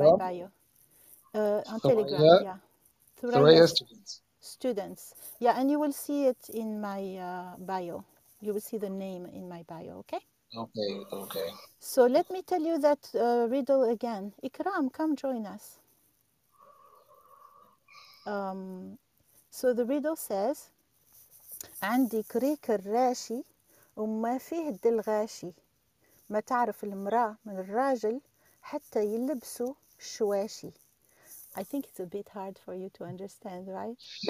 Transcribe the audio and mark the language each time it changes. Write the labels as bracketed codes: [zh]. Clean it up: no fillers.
[en] It in my bio. On Telegram, Thuraya Students. Yeah, and you will see it in my bio. You will see the name in my bio. Okay. Okay. So let me tell you that riddle again. Ikram, come join us. So the riddle says, [ar] عندي كريك الراشي وما فيه الدلغاشي ما تعرف المرأة من الراجل حتى يلبسوا شواشي. [en] I think it's a bit hard for you to understand, right?